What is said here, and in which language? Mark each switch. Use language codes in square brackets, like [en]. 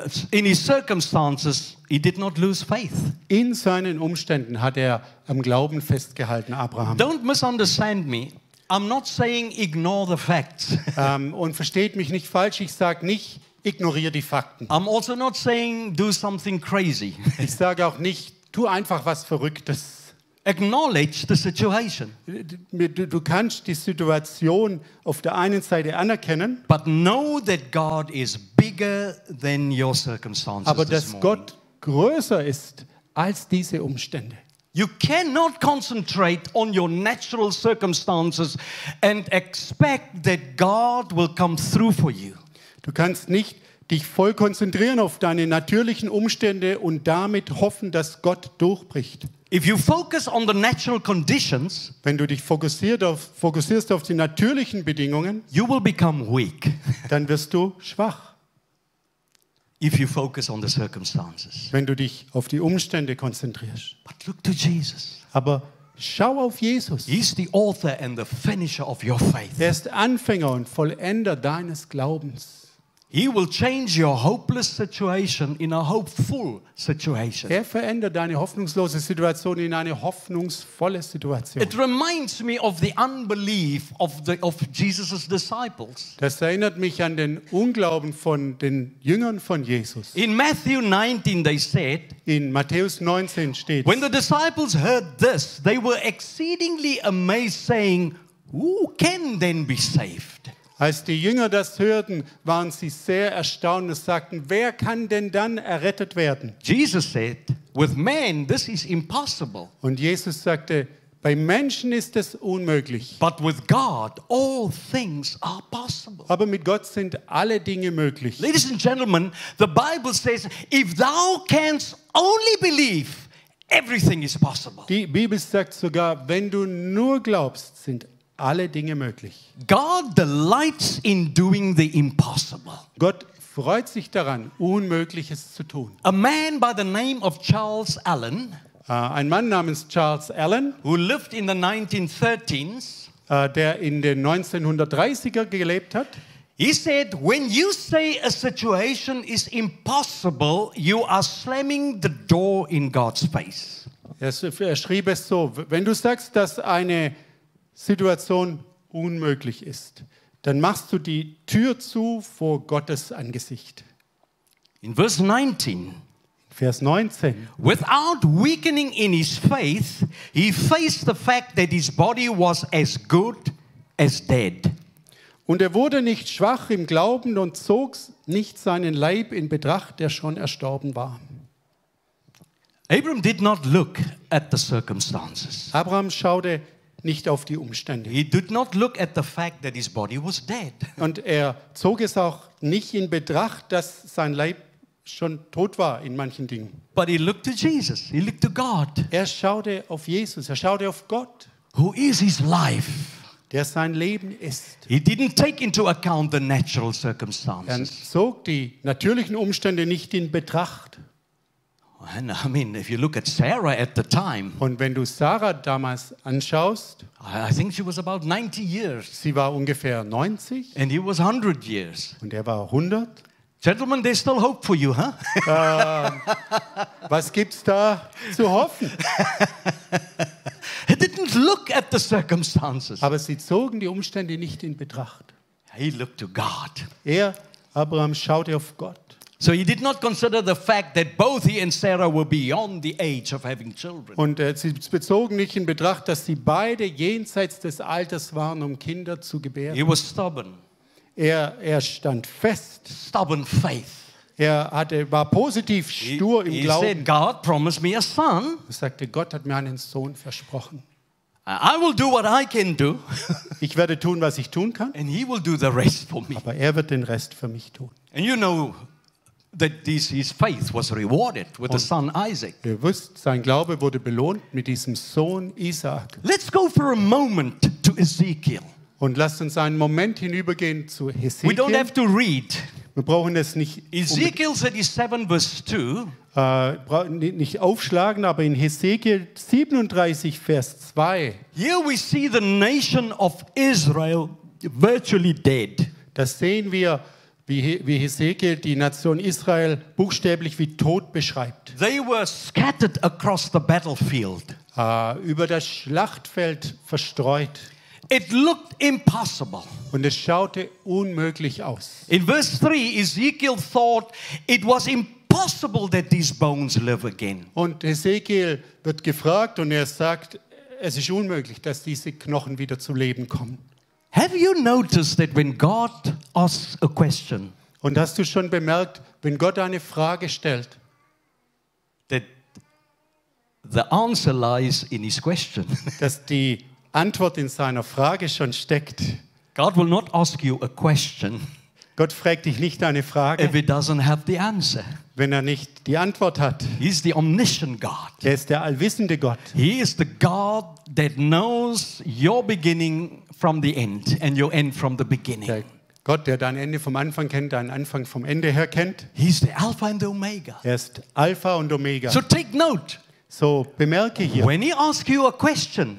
[en] In his circumstances, he did not lose faith. [de] In seinen Umständen hat am Glauben festgehalten, Abraham. [en] Don't misunderstand me. I'm not saying ignore the facts. [de] Und versteht mich nicht falsch. Ich sage nicht, ignoriere die Fakten. [en] I'm also not saying do something crazy. [de] Ich sage auch nicht, tu einfach was Verrücktes. [en] Acknowledge the situation. [de] Du kannst die Situation auf der einen Seite anerkennen, [en] but know that God is bigger than your circumstances. [de] Aber dass Gott größer ist als diese Umstände. [en] You cannot concentrate on your natural circumstances and expect that God will come through for you. [de] Du kannst nicht dich voll konzentrieren auf deine natürlichen Umstände und damit hoffen, dass Gott durchbricht. [en] If you focus on the natural conditions, [de] wenn du dich fokussierst auf die natürlichen Bedingungen, [en] you will become weak. [de] Dann wirst du schwach. [en] If you focus on the circumstances, [de] wenn du dich auf die Umstände konzentrierst. [en] But look to Jesus. [de] Aber schau auf Jesus. [en] He is the author and the finisher of your faith. [de] Er ist Anfänger und Vollender deines Glaubens. [en] He will change your hopeless situation in a hopeful situation. [de] Er verändert deine hoffnungslose Situation in eine hoffnungsvolle Situation. [en] It reminds me of the unbelief of Jesus's disciples. [de] Das erinnert mich an den Unglauben von den Jüngern von Jesus. [en] In Matthew 19 they said, [de] in Matthäus 19 steht, [en] when the disciples heard this, they were exceedingly amazed, saying, who can then be saved? [de] Als die Jünger das hörten, waren sie sehr erstaunt und sagten, wer kann denn dann errettet werden? [en] Jesus said, with man this is impossible. [de] Und Jesus sagte, bei Menschen ist es unmöglich. [en] But with God all things are possible. [de] Aber mit Gott sind alle Dinge möglich. [en] Ladies and gentlemen, the Bible says, if thou canst only believe, everything is possible. [de] Die Bibel sagt sogar, wenn du nur glaubst, sind alle Dinge möglich. [en] God delights in doing the impossible. [de] Gott freut sich daran, Unmögliches zu tun. [en] A man by the name of Charles Allen, [de] Ein Mann namens Charles Allen, [en] who lived in the 1930s, [de] der in den 1930er gelebt hat. [en] He said, when you say a situation is impossible, you are slamming the door in God's face. [de] Er schrieb es so, wenn du sagst, dass eine Situation unmöglich ist, dann machst du die Tür zu vor Gottes Angesicht. In Vers 19. Vers 19. [en] Without weakening in his faith, he faced the fact that his body was as good as dead. [de] Und er wurde nicht schwach im Glauben und zog nicht seinen Leib in Betracht, der schon erstorben war. [en] Abram did not look at the circumstances. [de] Abraham schaute nicht auf die Umstände. [en] He did not look at the fact that his body was dead. [de] Und er zog es auch nicht in Betracht, dass sein Leib schon tot war in manchen Dingen. [en] But he looked to Jesus. He looked to God. [de] Er schaute auf Jesus. Er schaute auf Gott. [en] Who is his life? [de] Der sein Leben ist. [en] He didn't take into account the natural circumstances. [de] Er zog die natürlichen Umstände nicht in Betracht. [en] And I mean, if you look at Sarah at the time. [de] Und wenn du Sarah damals anschaust. [en] I think she was about 90 years. [de] Sie war ungefähr 90. [en] And he was 100 years. [de] Und er war 100. [en] Gentlemen, there's still hope for you, huh? [de] Was gibt's da zu hoffen? [en] He didn't look at the circumstances. [de] Aber sie zogen die Umstände nicht in Betracht. [en] He looked to God. [de] Er, Abraham, schaute auf Gott. [en] So he did not consider the fact that both he and Sarah were beyond the age of having children. [de] Und sie bezogen nicht in Betracht, dass sie beide jenseits des Alters waren, um Kinder zu gebären. [en] He was stubborn. [de] Er stand fest. [en] Stubborn faith. [de] Er war positiv stur im Glauben. [en] He said, God promised me a son. [de] Er sagte, Gott hat mir einen Sohn versprochen. [en] I will do what I can do. [de] Ich werde tun, was ich tun kann. [en] And he will do the rest for me. [de] Aber er wird den Rest für mich tun. [en] And you know that his faith was rewarded with the son Isaac. [de] Ihr wisst, sein Glaube wurde belohnt mit diesem Sohn Isaac. [en] Let's go for a moment to Ezekiel. [de] Und lasst uns einen Moment hinübergehen zu Ezekiel. [en] We don't have to read. [de] Wir brauchen es nicht. Ezekiel 37, Vers 2. Nicht aufschlagen, aber in Ezekiel 37, Vers 2. [en] Here we see the nation of Israel virtually dead. [de] Da sehen wir, wie Ezekiel die Nation Israel buchstäblich wie tot beschreibt. [en] They were scattered across the battlefield. [de] Über das Schlachtfeld verstreut. [en] It looked impossible. [de] Und es schaute unmöglich aus. [en] In verse 3, Ezekiel thought it was impossible that these bones live again. [de] Und Ezekiel wird gefragt und er sagt, es ist unmöglich, dass diese Knochen wieder zum Leben kommen. [en] Have you noticed that when God asks a question? [de] Und hast du schon bemerkt, wenn Gott eine Frage stellt, [en] that the answer lies in his question. [de] Dass die Antwort in seiner Frage schon steckt. [en] God will not ask you a question. [de] Gott fragt dich nicht eine Frage. [en] If he doesn't have the answer. [de] Wenn er nicht die Antwort hat. [en] He is the omniscient God. [de] Er ist der allwissende Gott. [en] He is the God that knows your beginning from the end and your end from the beginning. [de] Der Gott, der dein Ende vom Anfang kennt, deinen Anfang vom Ende her kennt. [en] He is the Alpha and the Omega. [de] Er ist Alpha und Omega. [en] So take note. [de] So bemerke hier. [en] When he asks you a question,